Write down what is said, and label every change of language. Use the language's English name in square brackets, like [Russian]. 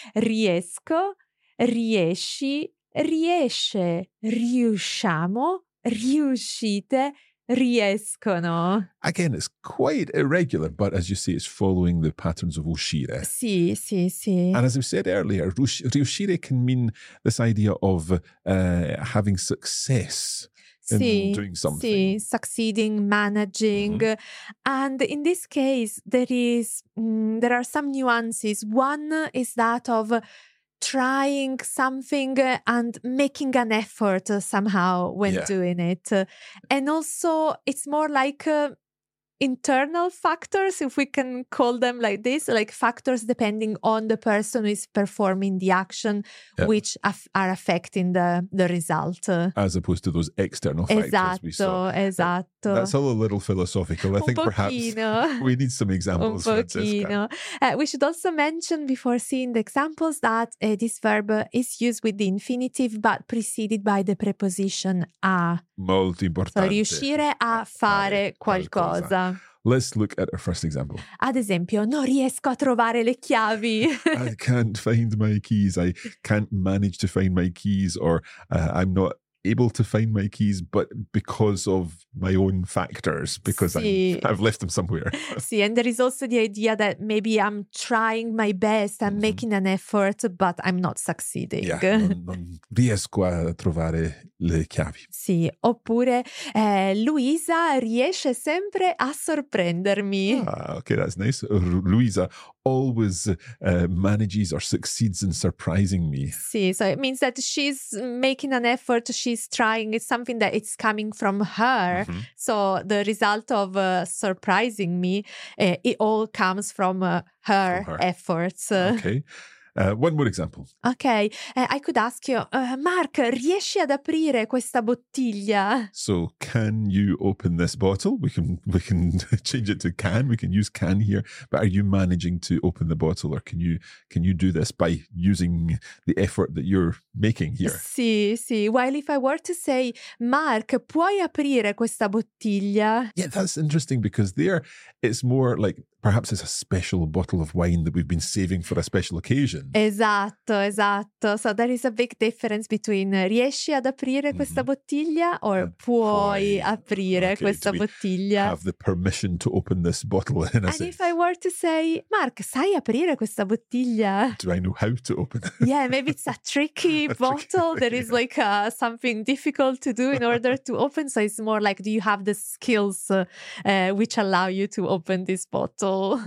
[Italian] Riesco, riesci, riesce, riusciamo, riuscite. Riescono. [English] Again, it's quite irregular, but as you say, it's following the patterns of uscire. [Italian] Sì, sì, sì. [English] And as I said earlier, riuscire can mean this idea of having success in [Italian] sì, [English] doing something. Sì, succeeding, managing. Mm-hmm. And in this case, there are some nuances. One is that of trying something and making an effort somehow when yeah. doing it. And also, it's more like internal factors, if we can call them like this, like factors depending on the person who is performing the action, yeah. which are affecting the result. As opposed to those external factors [Italian] esatto, [English] we saw. [Italian] Esatto. [English] That's all a little philosophical. I [Italian] un [English] think [Italian] pochino. [English] Perhaps we need some examples, [Italian] un pochino. Francesca. [English] We should also mention before seeing the examples that this verb is used with the infinitive but preceded by the preposition a. [Italian] Molto importante. So, riuscire a fare qualcosa. [English] Let's look at our first example. [Italian] Ad esempio, non riesco a trovare le chiavi. [English] I can't find my keys. I can't manage to find my keys, or I'm not able to find my keys, but because of my own factors, because I've left them somewhere. See, and there is also the idea that maybe I'm trying my best, I'm making an effort, but I'm not succeeding. [Italian] Yeah, non riesco a trovare le chiavi. Sì, oppure Luisa riesce sempre a sorprendermi. [English] Ah, okay, that's nice. Luisa always manages or succeeds in surprising me. Sì, so it means that she's making an effort, she's trying, it's something that it's coming from her. Mm-hmm. So the result of surprising me, it all comes from her efforts. Okay. One more example. Okay, I could ask you, Mark, [Italian] riesci ad aprire questa bottiglia? [English] So, can you open this bottle? We can change it to can. We can use can here. But are you managing to open the bottle, or can you do this by using the effort that you're making here? Sì, sì. While if I were to say, Mark, [Italian] puoi aprire questa bottiglia? [English] Yeah, that's interesting, because there it's more like, perhaps it's a special bottle of wine that we've been saving for a special occasion. Esatto, esatto. So there is a big difference between [Italian] riesci ad aprire questa bottiglia [English] or [Italian] puoi aprire questa bottiglia. [English] Have the permission to open this bottle. And if I were to say, Mark, [Italian] sai aprire questa bottiglia? [English] Do I know how to open it? Yeah, maybe it's a tricky bottle. There is like something difficult to do in order to open. So it's more like, do you have the skills which allow you to open this bottle?